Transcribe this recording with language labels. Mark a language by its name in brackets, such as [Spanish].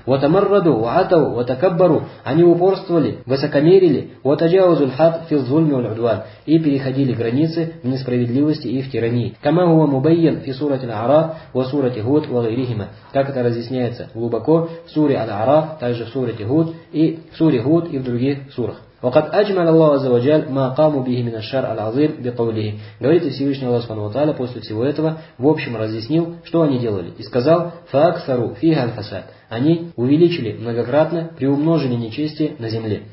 [Arabic] Ва тамарраду ва атау ва такаббару. [Russian] Они упорствовали, высокомерили. [Arabic] Ва таджаузул хат фил зульми валь удван. [Russian] И переходили границы в несправедливости и в тирании. [Arabic] Кама хуа мубайян фи сурати аль-Араф ва сурати Худ. [Russian] Как это разъясняется глубоко в суре Аль-Араф, также в суре Тихуд и в суре Худ и в других сурах. [Arabic] وقد أجمل الله عز وجل ما قاموا به من الشر العظيم بقوله. [Russian] Говорит Всевышний Аллах سبحانه وتعالى после всего этого в общем разъяснил, что они делали, и сказал: [Arabic] فأكثروا فيها الفساد. [Russian] Они увеличили многократно, приумножили нечестие на земле.